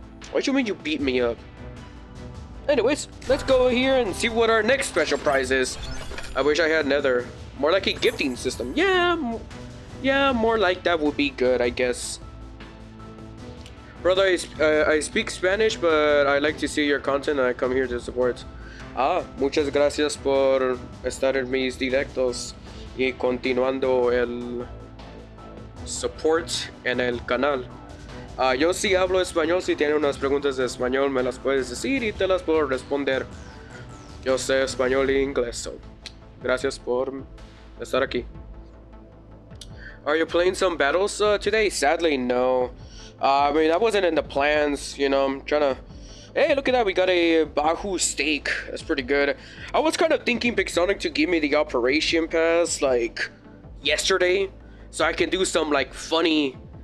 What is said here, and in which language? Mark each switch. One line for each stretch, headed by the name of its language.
English: What do you mean you beat me up? Anyways, let's go here and see what our next special prize is. I wish I had Nether. More like a gifting system. Yeah, more like that would be good, I guess. Brother, I speak Spanish, but I like to see your content and I come here to support.
Spanish: Ah, muchas gracias por estar en mis directos y continuando el support en el canal. Yo sí hablo español, si tiene unas preguntas de español me las puedes decir y te las puedo responder. Yo sé español e inglés, so gracias por estar aquí.
English: Are you playing some battles today? Sadly, no. I mean, that wasn't in the plans, you know, I'm trying to... Hey, look at that, we got a Bahu steak. That's pretty good. I was kind of thinking Pixonic to give me the operation pass, like, yesterday, so I can do some, like, funny...